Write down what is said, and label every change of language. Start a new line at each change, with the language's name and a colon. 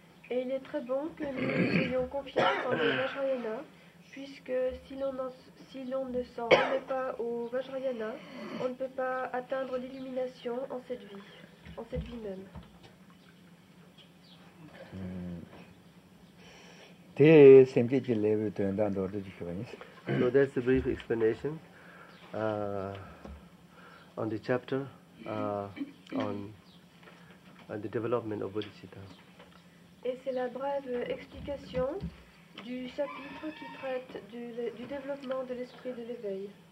French: Et il est très bon que nous ayons confiance en le Vajrayana, Puisque si l'on ne s'en remet pas au Vajrayana, on ne peut pas atteindre l'illumination en cette vie même.
English: So that's a brief explanation on the chapter on the development of bodhicitta.
French: Et c'est la brève explication du chapitre qui traite du développement de l'esprit de l'éveil.